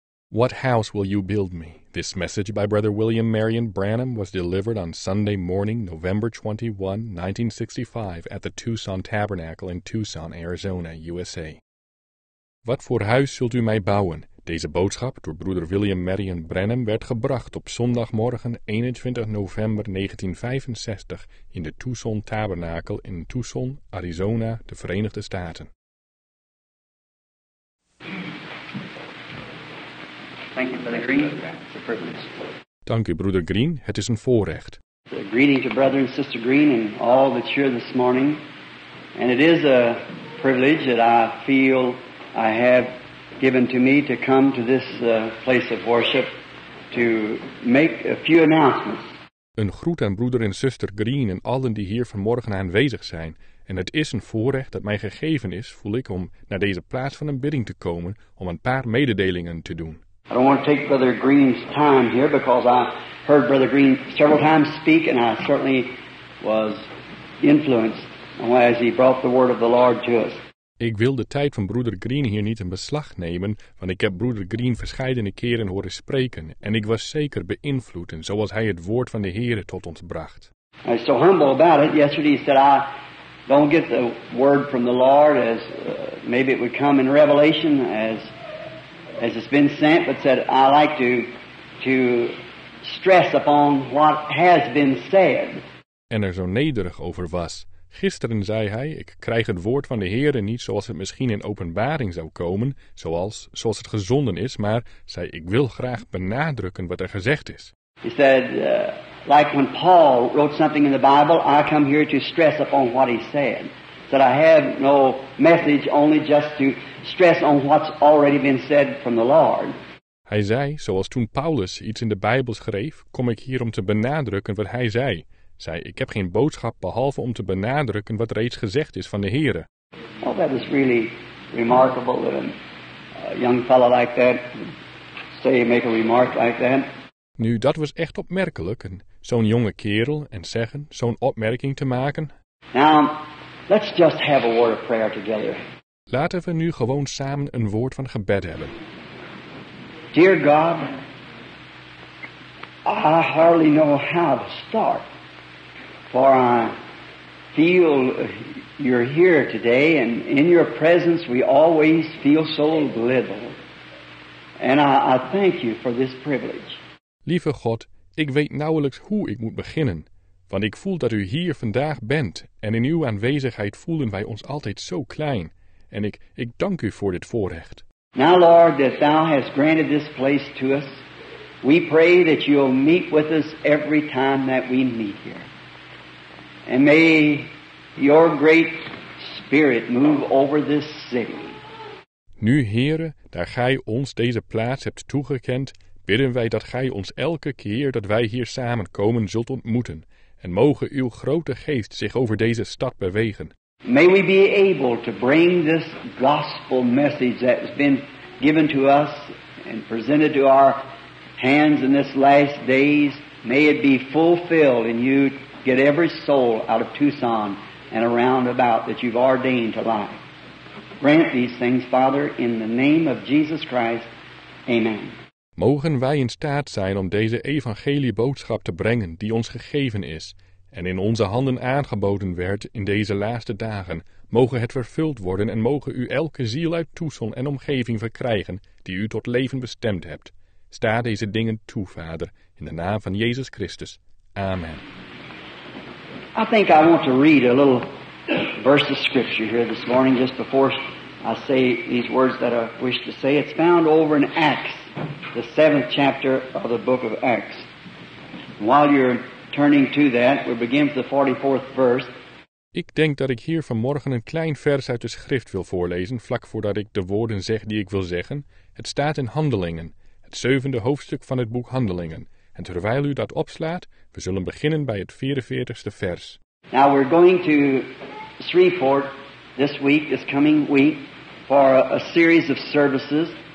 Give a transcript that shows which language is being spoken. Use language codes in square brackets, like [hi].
[en] What house will you build me? This message by Brother William Marion Branham was delivered on Sunday morning, November 21, 1965, at the Tucson Tabernacle in Tucson, Arizona, USA. [nl] Wat voor huis zult u mij bouwen? Deze boodschap door Broeder William Marion Branham werd gebracht op zondagmorgen 21 november 1965 in de Tucson Tabernacle in Tucson, Arizona, de Verenigde Staten. [en] Thank you, Brother Green. It's a privilege. [nl] Dank u, Broeder Green. Het is een voorrecht. [en] Greeting to Brother and Sister Green and all that's here this morning. And it is a privilege that I feel I have given to me to come to this place of worship to make a few announcements. [nl] Een groet aan Broeder en Zuster Green en allen die hier vanmorgen aanwezig zijn. En het is een voorrecht dat mij gegeven is, voel ik, om naar deze plaats van een bidding te komen om een paar mededelingen te doen. [en] I don't want to take Brother Green's time here because I heard Brother Green several times speak and I certainly was influenced as he brought the word of the Lord to us. [nl] Ik wil de tijd van Broeder Green hier niet in beslag nemen, want ik heb Broeder Green verscheidene keren horen spreken en ik was zeker beïnvloed en zoals hij het woord van de Heere tot ons bracht. [en] I was so humble about it. Yesterday he said, I don't get the word from the Lord as maybe it would come in Revelation as it's been sent, but said, I like to stress upon what has been said. [nl] En er zo nederig over was. Gisteren zei hij, ik krijg het woord van de Heere niet zoals het misschien in openbaring zou komen, zoals het gezonden is, maar zei, ik wil graag benadrukken wat er gezegd is. [en] He said, like when Paul wrote something in the Bible, I come here to stress upon what he said. That I have no message, only just to stress on what's already been said from the Lord. [nl] Hij zei, zoals toen Paulus iets in de Bijbel schreef, kom ik hier om te benadrukken wat hij zei. Zei, ik heb geen boodschap behalve om te benadrukken wat reeds gezegd is van de Heere. [en] Well, that is really remarkable that a young fellow like that say you make a remark like that. [nl] Nu, dat was echt opmerkelijk, zo'n jonge kerel en zeggen, zo'n opmerking te maken. [en] Now, let's just have a word of prayer together. [nl] Laten we nu gewoon samen een woord van gebed hebben. [en] Dear God, I hardly know how to start. For I feel you're here today and in your presence we always feel so little. And I thank you for this privilege. [nl] Lieve God, ik weet nauwelijks hoe ik moet beginnen. Want ik voel dat u hier vandaag bent en in uw aanwezigheid voelen wij ons altijd zo klein. En ik dank u voor dit voorrecht. [en] Now Lord, that thou hast granted this place to us, we pray that you'll meet with us every time that we meet here. And may your great spirit move over this city. [nl] Nu, Heere, daar Gij ons deze plaats hebt toegekend, bidden wij dat Gij ons elke keer dat wij hier samenkomen zult ontmoeten. En mogen uw grote geest zich over deze stad bewegen. [en] May we be able to bring this gospel message that has been given to us and presented to our hands in this last days. May it be fulfilled in you. Get every soul out of Tucson and around about that you've ordained to life. Grant these things, Father, in the name of Jesus Christ. Amen. [nl] Mogen wij in staat zijn om deze evangelieboodschap te brengen die ons gegeven is en in onze handen aangeboden werd in deze laatste dagen, mogen het vervuld worden en mogen u elke ziel uit Tucson en omgeving verkrijgen die u tot leven bestemd hebt. Sta deze dingen toe, Vader, in de naam van Jezus Christus. Amen. [en] I think I want to read a little verse of scripture here this morning just before I say these words that I wish to say. It's found over in Acts, the 7th chapter of the book of Acts. And while you're turning to that, we begin with the 44th verse. [nl] Ik denk dat ik hier vanmorgen een klein vers uit de schrift wil voorlezen, vlak voordat ik de woorden zeg die ik wil zeggen. Het staat in Handelingen, het 7e hoofdstuk van het boek Handelingen. En terwijl u dat opslaat, we zullen beginnen bij het 44ste vers. [en] Now we're going to Shreveport this week, this coming week, for a series of services.